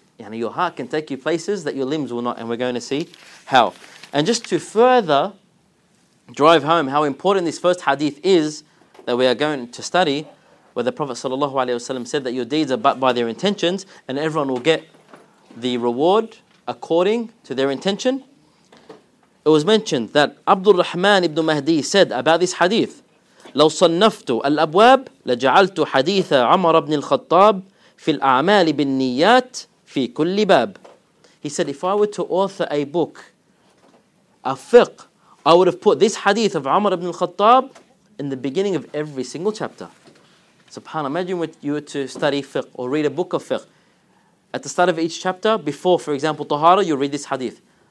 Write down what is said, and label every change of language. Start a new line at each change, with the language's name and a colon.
English: Your heart can take you places that your limbs will not, and we're going to see how. And just to further drive home how important this first hadith is that we are going to study, where the Prophet ﷺ said that your deeds are but by their intentions, and everyone will get the reward according to their intention. It was mentioned that Abdul Rahman ibn Mahdi said about this hadith,
Arabic: لو صنفت الأبواب لجعلت حديث عمر بن الخطاب في الأعمال بالنيات في كل باب.
English: He said, if I were to author a book, a fiqh, I would have put this hadith of Umar ibn al-Khattab in the beginning of every single chapter. SubhanAllah, imagine what you were to study fiqh or read a book of fiqh. At the start of each chapter, before, for example, Tahara, you read this hadith.